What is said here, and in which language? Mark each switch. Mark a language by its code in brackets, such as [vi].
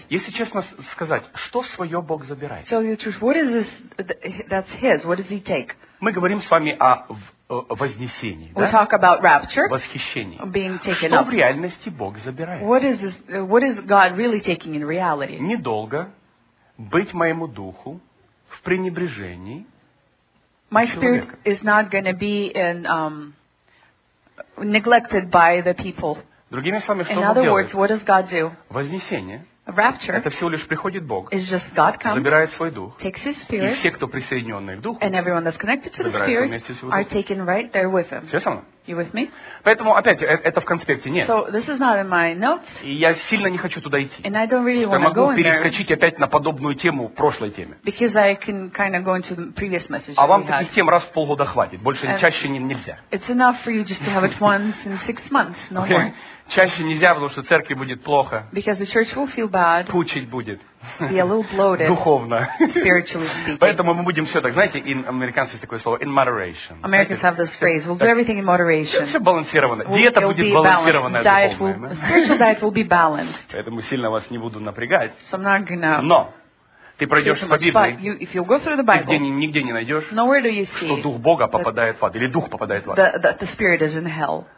[ru] Если честно сказать, что свое Бог забирает? [en] Tell you the truth, what is this that's his? What does he take? [ru] Мы говорим с вами о вознесении. [en] We talk about rapture. [ru] Восхищении. [en] Being taken up. [ru] Что в реальности Бог забирает? [en] What is God really taking in reality? [ru] Недолго быть моему духу в пренебрежении. [en] My spirit is not going to be in, neglected by the people. [ru] Другими словами, что [en] in other words, what does God do? [ru] Вознесение. [en] Rapture. [ru] Это всего лишь приходит Бог. [en] Is just God comes. [ru] Забирает свой дух. [en] Takes his spirit. [ru] И все, кто присоединенный к духу. [en] And everyone that's connected to the spirit are taken right there with him. [ru] Все со мной? [en] You with me? [ru] Поэтому, опять, это в конспекте нет. [en] So, this is not in my notes. [ru] И я сильно не хочу туда идти. [en] And I don't really want to go in there. [ru] Я могу перескочить опять на подобную тему, прошлой теме. [en] Because I can kind of go into the previous message. [ru] А вам таких тем раз в полгода хватит. Больше чаще нельзя. [en] It's enough for you just to have it once in six months, no more. [ru] Чаще нельзя, потому что церкви будет плохо. [en] Because the church will feel bad. [ru] Пучить будет. [en] Be a little bloated. [ru] Духовно. [en] Spiritually speaking. [ru] Поэтому мы будем все так, знаете, американцы есть такое слово, [en] in moderation. Americans have this phrase, we'll do everything in moderation. [ru] Все балансировано. Диета будет балансированная, духовная. [en] Spiritual diet will be balanced. [ru] Поэтому сильно вас не буду напрягать. [en] So I'm not gonna... [ru] Но! Ты пройдешь по Библии, [en] if you go through the Bible, [ru] ты нигде не найдешь, [en] nowhere do you see [ru] что Дух Бога попадает в ад, или Дух попадает в ад. [en] The spirit is in hell.